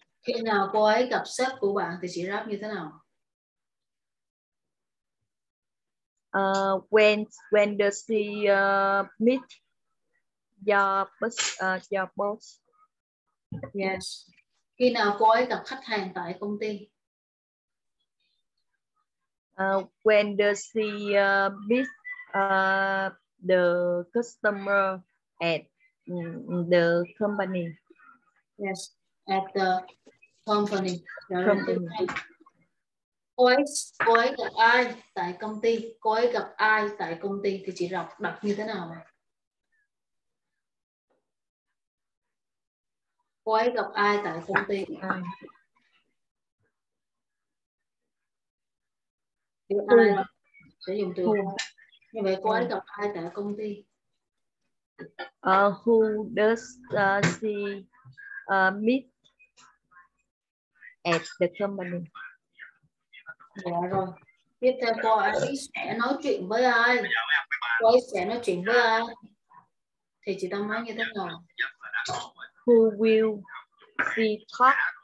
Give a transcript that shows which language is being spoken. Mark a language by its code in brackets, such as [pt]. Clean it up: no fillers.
[vi] Khi nào cô ấy gặp sếp của bạn thì chị rap như thế nào? [en] When does she meet your boss? Yes. [vi] Khi nào cô ấy gặp khách hàng tại công ty? [en] When does she meet the customer at the company? Yes, at the company. [vi] Cô ấy gặp ai tại công ty? Cô ấy gặp ai tại công ty thì chị đọc đọc như thế nào? Cô ấy gặp ai tại công ty? Ai sử dụng từ như vậy, cô ấy gặp ai tại công ty? [en] Who does she meet at the company? [vi] Dạ rồi. Tiếp theo cô ấy sẽ nói chuyện với ai? Cô ấy sẽ nói chuyện với ai? Thì chị đang nói như thế nào? [en] Who will she talk?